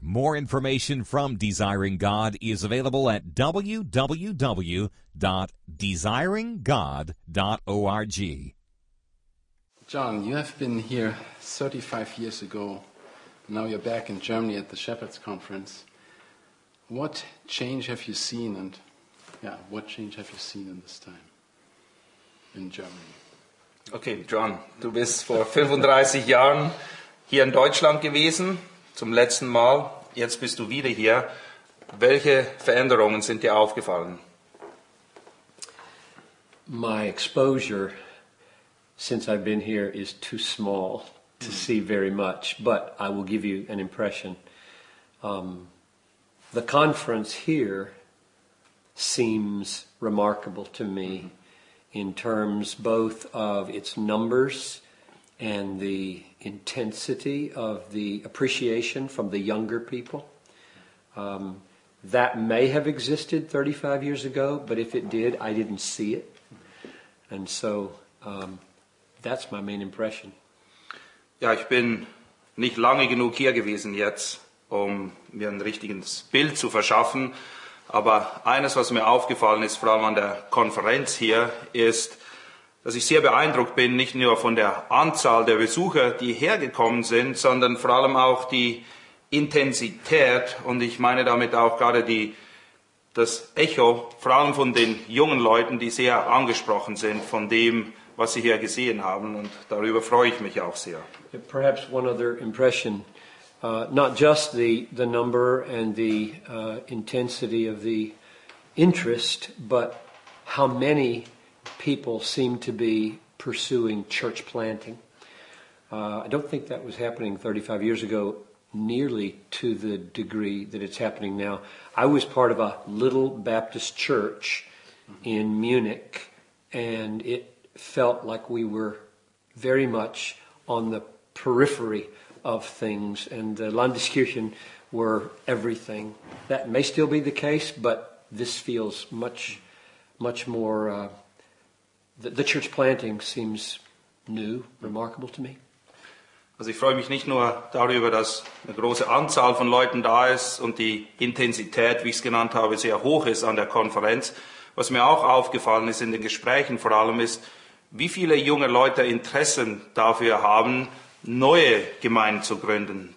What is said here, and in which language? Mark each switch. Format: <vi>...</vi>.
<en>More information from Desiring God is available at www.desiringgod.org. John, you have been here 35 years ago. Now you're back in Germany at the Shepherd's Conference. What change have you seen? And yeah, what change have you seen in this time in Germany?</en> <de>Okay, John, du bist vor 35 Jahren hier in Deutschland gewesen, zum letzten Mal. Jetzt bist du wieder hier. Welche Veränderungen sind dir aufgefallen?</de> <en>My exposure since I've been here is too small to see very much, but I will give you an impression. The conference here seems remarkable to me in terms both of its numbers and the intensity of the appreciation from the younger people. That may have existed 35 years ago, but if it did, I didn't see it. And so that's my main impression.</en> <de>Ja, ich bin nicht lange genug hier gewesen jetzt, um mir ein richtiges Bild zu verschaffen. Aber eines, was mir aufgefallen ist, vor allem an der Konferenz hier, ist, dass ich sehr beeindruckt bin, nicht nur von der Anzahl der Besucher, die hergekommen sind, sondern vor allem auch die Intensität. Und ich meine damit auch gerade das Echo, vor allem von den jungen Leuten, die sehr angesprochen sind von dem, was sie hier gesehen haben. Und darüber freue ich mich auch sehr.</de> <en>Perhaps one other impression. Not just the number and the intensity of the interest, but how many people seem to be pursuing church planting. I don't think that was happening 35 years ago nearly to the degree that it's happening now. I was part of a little Baptist church in Munich, and it felt like we were very much on the periphery of things, and the Landeskirchen were everything. That may still be the case, but this feels much, much more, the church planting seems new, remarkable to me.</en> <de>Also ich freue mich nicht nur darüber, dass eine große Anzahl von Leuten da ist und die Intensität, wie ich es genannt habe, sehr hoch ist an der Konferenz. Was mir auch aufgefallen ist in den Gesprächen vor allem ist, wie viele junge Leute Interessen dafür haben, neue Gemeinden zu gründen.</de>